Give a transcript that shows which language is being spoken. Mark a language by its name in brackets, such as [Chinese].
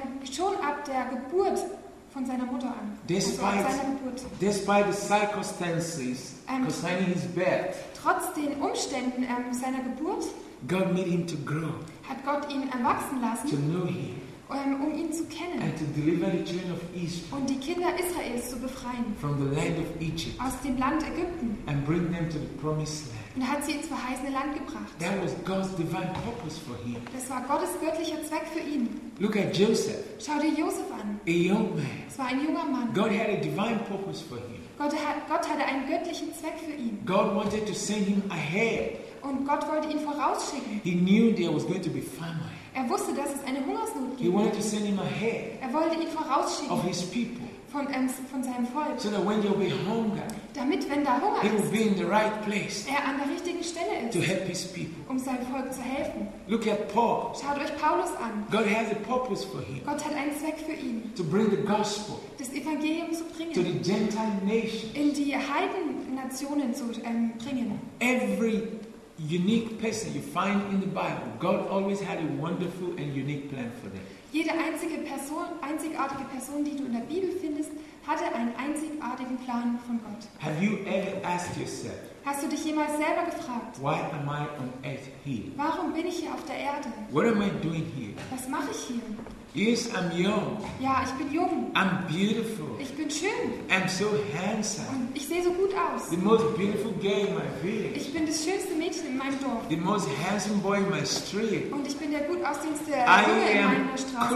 [German] Schon ab der Geburt von seiner Mutter an. [English] Despite the circumstances concerning his birth. [German] Trotz den Umständen seiner Geburt. [English] God made him to grow. [German] Hat Gott ihn erwachsen lassen. [English] To know him. [German] Um ihn zu kennen. [English] And to deliver the children of Israel. [German] Und die Kinder Israels zu befreien. [English] From the land of Egypt. [German] Aus dem Land Ägypten. [English] And bring them to the promised land. [German] Und hat sie ins verheißene Land gebracht. [English] That was God's divine purpose for him. [German] Das war Gottes göttlicher Zweck für ihn. [English] Look at Joseph. [German] Schau dir Josef an. [English] A young man. [German] Es war ein junger Mann. [English] God had a divine purpose for him. [German] Gott hatte einen göttlichen Zweck für ihn. [English] God wanted to send him ahead. [German] Und Gott wollte ihn vorausschicken. [English] He knew there was going to be famine. [German] Er wusste, dass es eine Hungersnot gibt. [English] He wanted to send him ahead. [German] Er wollte ihn vorausschicken. [English] Of his people. [German] Von seinem Volk. [English] So that when you'll be hungry, [German] damit, wenn da Hunger ist, [English] he will be in the right place, [German] er an der richtigen Stelle ist, [English] to help his people. [German] Um seinem Volk zu helfen. [English] Look at Paul. [German] Schaut euch Paulus an. [English] God has a purpose for him. [German] Gott hat einen Zweck für ihn. [English] To bring the gospel, [German] das Evangelium zu bringen. [English] To the Gentile nations, [German] in die Heidennationen zu bringen. [English] Every unique person you find in the Bible, God always had a wonderful and unique plan for them. [German] Jede einzige Person, einzigartige Person, die du in der Bibel findest, hatte einen einzigartigen Plan von Gott. [English] Have you ever asked yourself, [German] hast du dich jemals selber gefragt, [English] why am I on earth here? [German] Warum bin ich hier auf der Erde? [English] What am I doing here? [German] Was mache ich hier? [English] Yes, I'm young. [German] Ja, ich bin jung. [English] I'm beautiful. [German] Ich bin schön. [English] I'm so handsome. [German] Und ich sehe so gut aus. [English] The most beautiful girl in my village. [German] Ich bin das schönste Mädchen in meinem Dorf. [English] The most handsome boy in my street. [German] Und ich bin der gut aussehendste Junge in meiner Straße.